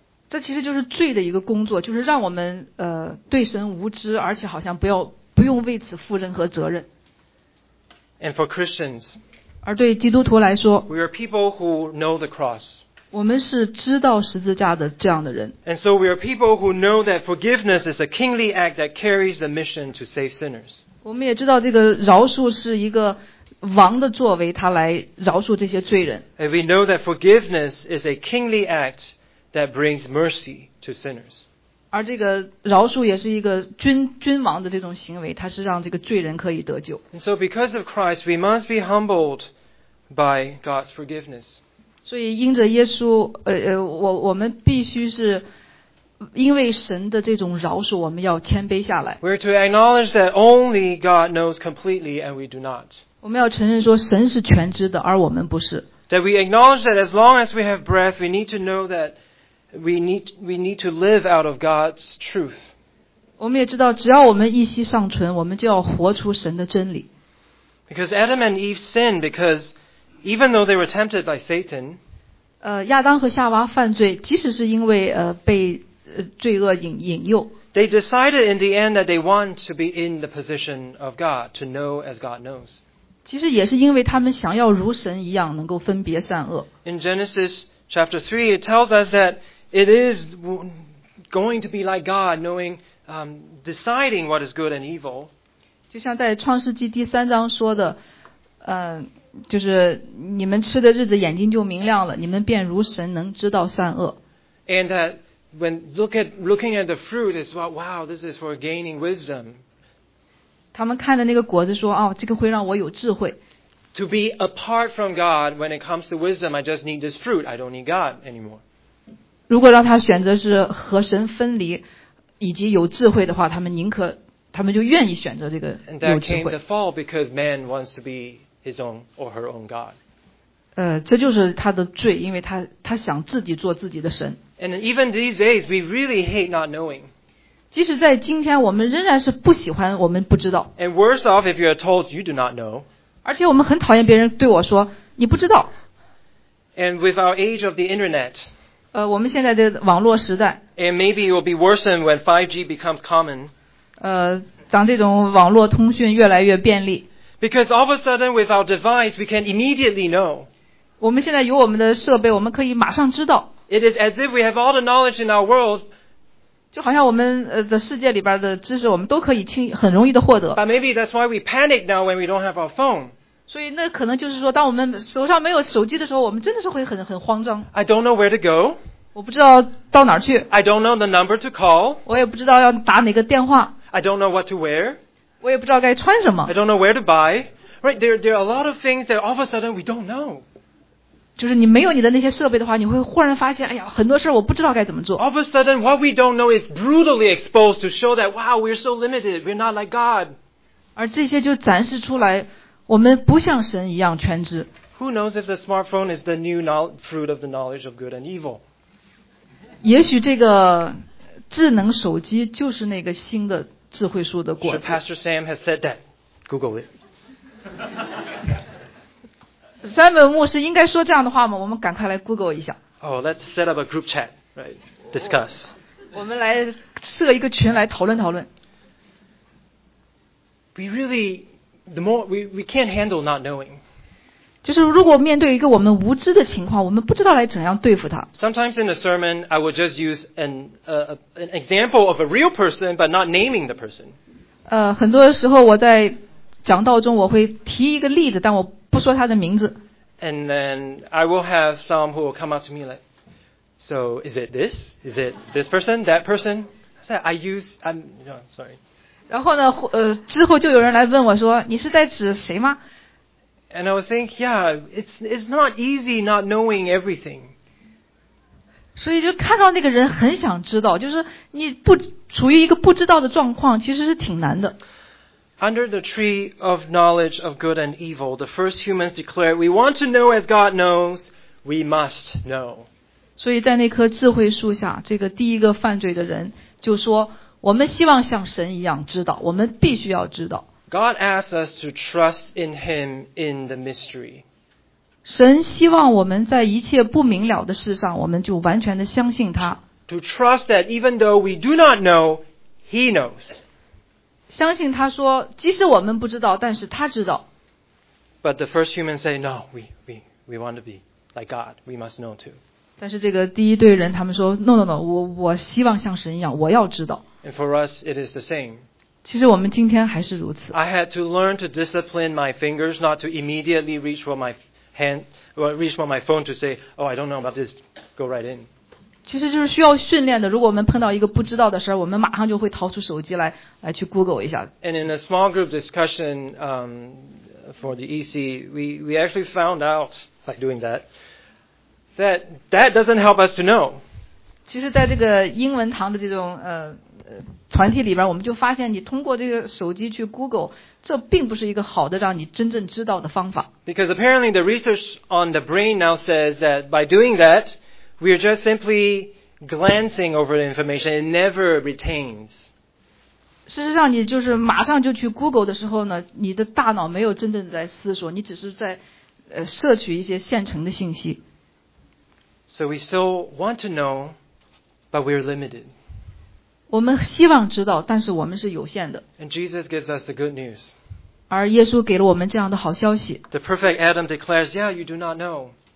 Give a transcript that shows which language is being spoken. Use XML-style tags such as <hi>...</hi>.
<zh>这其实就是罪的一个工作，就是让我们对神无知，而且好像不用为此负任何责任。</zh> <en>And for Christians,</en> <zh>而对基督徒来说，</zh> <en>we are people who know the cross.</en> <zh>我们是知道十字架的这样的人。</zh> <en>And so we are people who know that forgiveness is a kingly act that carries the mission to save sinners.</en> <zh>我们也知道这个饶恕是一个王的作为，他来饶恕这些罪人。</zh> <en>And we know that forgiveness is a kingly act. That brings mercy to sinners.</en> <zh>而这个饶恕也是一个君王的这种行为，它是让这个罪人可以得救。</zh> <en>And so because of Christ, we must be humbled by God's forgiveness.</en> <zh>所以因着耶稣，我们必须是因为神的这种饶恕，我们要谦卑下来。</zh> <en>We're to acknowledge that only God knows completely, and we do not.</en> <zh>我们要承认说神是全知的，而我们不是。</zh> <en>That we acknowledge that as long as we have breath, we need to know that we need to live out of God's truth.</en> <zh>我们也知道，只要我们一息尚存，我们就要活出神的真理。</zh> <en>Because Adam and Eve sinned, because even though they were tempted by Satan,</en> <zh>亚当和夏娃犯罪，即使是因为被罪恶引诱。</zh> <en>They decided in the end that they want to be in the position of God to know as God knows.</en> <zh>其实也是因为他们想要如神一样能够分别善恶。</zh> <en>In Genesis chapter 3, it tells us that it is going to be like God, knowing, deciding what is good and evil.</en> <zh>就像在创世纪第三章说的，就是你们吃的日子眼睛就明亮了，你们便如神能知道善恶。</zh> <en>And that when looking at the fruit, it's like, wow, this is for gaining wisdom.</en> <zh>他们看的那个果子说，哦，这个会让我有智慧。</zh> <en>to be apart from God when it comes to wisdom. I just need this fruit. I don't need God anymore.</en> <zh>如果让他选择是和神分离以及有智慧的话，他们宁可，他们就愿意选择这个有智慧。</zh> <en>And that came the fall because man wants to be his own or her own God.</en> <zh>这就是他的罪，因为他想自己做自己的神。</zh> <en>And even these days, we really hate not knowing.</en> <zh>即使在今天我们仍然是不喜欢我们不知道</zh> <en>and worse off if you are told you do not know</en> <zh>而且我们很讨厌别人对我说你不知道</zh> <en>and with our age of the internet</en> <zh>我们现在的网络时代</zh> <en>and maybe it will be worsened when 5G becomes common</en> <zh>当这种网络通讯越来越便利</zh> <en>because all of a sudden with our device we can immediately know</en> <zh>我们现在有我们的设备我们可以马上知道</zh> <en>it is as if we have all the knowledge in our world</en> <zh>就好像我们的世界里边的知识我们都可以很容易的获得。</zh> <en>But maybe that's why we panic now when we don't have our phone.</en> <zh>所以那可能就是说当我们手上没有手机的时候我们真的是会很慌张。</zh> <en>I don't know where to go.</en> <zh>我不知道到哪儿去。</zh> <en>I don't know the number to call.</en> <zh>我也不知道要打哪个电话。</zh> <en>I don't know what to wear. 我也不知道该穿什么。 I don't know where to buy. Right, there are a lot of things that all of a sudden we don't know.</en> <zh>就是你没有你的那些设备的话你会忽然发现哎呀很多事我不知道该怎么做</zh> <en>All of a sudden what we don't know is brutally exposed to show that wow we're so limited we're not like God</en> <zh>而这些就展示出来我们不像神一样全知</zh> <en>Who knows if the smartphone is the new fruit of the knowledge of good and evil</en> <zh>也许这个智能手机就是那个新的智慧树的果子</zh> <en>Should Pastor Sam have said that? Google it</en> <zh>三本牧师应该说这样的话吗？我们赶快来 Google 一下。</zh> <en>Oh, let's set up a group chat, right? Discuss.</en> <zh>我们来设一个群来讨论讨论。</zh> <en>We really, the more we can't handle not knowing.</en> <zh>就是如果面对一个我们无知的情况，我们不知道来怎样对付它。</zh> <en>Sometimes in a sermon, I will just use an example of a real person, but not naming the person.</en> <zh>很多时候我在讲道中我会提一个例子，但我不说他的名字。</zh> <en>And then I will have some who will come up to me like, so is it this? Is it this person? That person? I'm sorry.</en> <zh>然后呢，之后就有人来问我说，你是在指谁吗？</zh> <en>And I would think, yeah, it's not easy not knowing everything.</en> <zh>所以就看到那个人很想知道，就是你不处于一个不知道的状况，其实是挺难的。</zh> <en>Under the tree of knowledge of good and evil, the first humans declared, "We want to know as God knows. We must know."</en> <zh>所以在那棵智慧树下，这个第一个犯罪的人就说，我们希望像神一样知道，我们必须要知道。</zh> <en>God asks us to trust in Him in the mystery.</en> <zh>神希望我们在一切不明了的事上，我们就完全的相信他。</zh> <en>To trust that even though we do not know, He knows.</en> <zh>相信他说即使我们不知道但是他知道</zh> <en>But the first human say No, we want to be like God We must know too</en> <zh>但是这个第一对人他们说</zh> <en>No,</en> <zh>我希望像神一样我要知道</zh> <en>And for us, it is the same</en> <zh>其实我们今天还是如此</zh> <en>I had to learn to discipline my fingers Not to immediately reach for my hand or reach for my phone to say Oh, I don't know about this Go right in</en> <zh>其实就是需要训练的如果我们碰到一个不知道的事我们马上就会掏出手机来去 Google 一下</zh> <en>And in a small group discussion for the EC we actually found out by doing that doesn't help us to know</en> <zh>其实在这个英文堂的这种团体里边我们就发现你通过这个手机去 Google 这并不是一个好的让你真正知道的方法</zh> <en>Because apparently the research on the brain now says that by doing thatWe are just simply glancing over the information. It never retains.</en> <zh>事实上，你就是马上就去 Google 的时候呢，你的大脑没有真正在思索，你只是在摄取一些现成的信息。</zh> <en>So we still want to know, but we are limited.</en> <zh>我们希望知道，但是我们是有限的。</zh> <en>And Jesus gives us the good news.</en> <zh>而耶稣给了我们这样的好消息。</zh> <en>The perfect Adam declares, "Yeah, you do not know."</en>